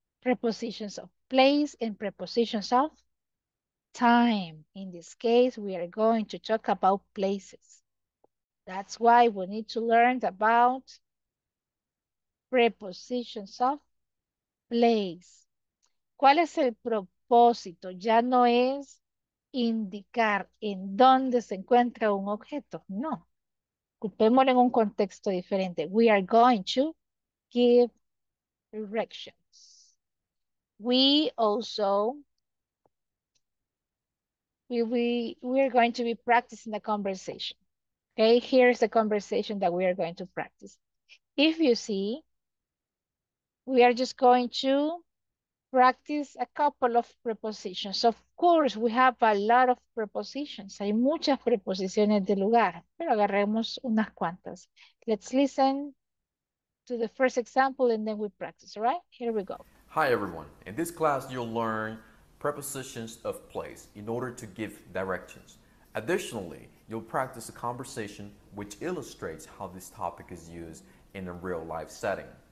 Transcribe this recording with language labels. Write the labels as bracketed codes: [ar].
[en] Prepositions of place and prepositions of time. In this case, we are going to talk about places. That's why we need to learn about prepositions of place. [es] ¿Cuál es el propósito? Ya no es indicar en dónde se encuentra un objeto. No. Ocupémoslo en un contexto diferente. [en] We are going to give directions. We also We are going to be practicing the conversation. Okay, here is the conversation that we are going to practice. If you see, we are just going to practice a couple of prepositions. Of course, we have a lot of prepositions. [es] Hay muchas preposiciones de lugar, pero agarremos unas cuantas. [en] Let's listen to the first example and then we practice, right? Here we go. Hi, everyone. In this class, you'll learn prepositions of place in order to give directions. Additionally, you'll practice a conversation which illustrates how this topic is used in a real life setting.